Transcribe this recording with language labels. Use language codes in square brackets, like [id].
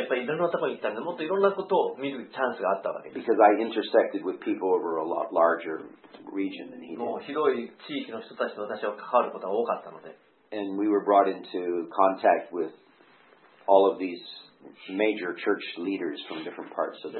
[ja] ヘブリマンの人よりも深くはないからもしれません。私はやっぱりいろんなところに行ったんで、もっといろんなことを見るチャンスがあったわけです。 [en] Because I intersected with people over a lot larger region than he did. [ja] もう広い地域の人たちと私は関わることが多かったので。 [en] And we were brought into contact with all of these major church leaders from different parts of the